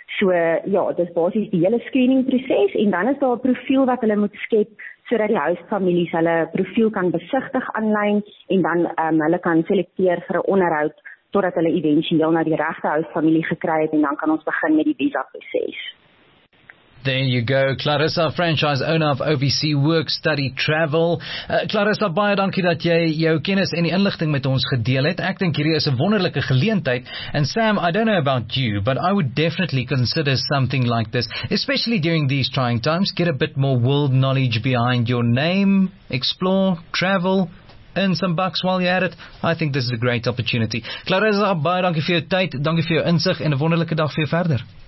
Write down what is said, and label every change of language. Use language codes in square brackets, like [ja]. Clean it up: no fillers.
[af] So ja, dis basies die hele screening proses, en dan is daar 'n profiel wat hulle moet skep sodat die huisfamilies hulle profiel kan besigtig aanlyn, en dan hulle kan selekteer vir 'n onderhoud totdat hulle éventueel na die regte huisfamilie gekry het, en dan kan ons begin met die visa proses. [en] There you go, Clarissa, franchise owner of OVC Work Study Travel. [af] Clarissa, baie dankie dat jy jou kennis en die inligting met ons gedeel het. Ek dink hierdie is 'n wonderlike geleentheid. [en] And Sam, I don't know about you, but I would definitely consider something like this, especially during these trying times. Get a bit more world knowledge behind your name, explore, travel, earn some bucks while you're at it. I think this is a great opportunity. [af] Clarissa, baie dankie vir jou tyd, dankie vir jou insig en 'n wonderlike dag vir jou verder.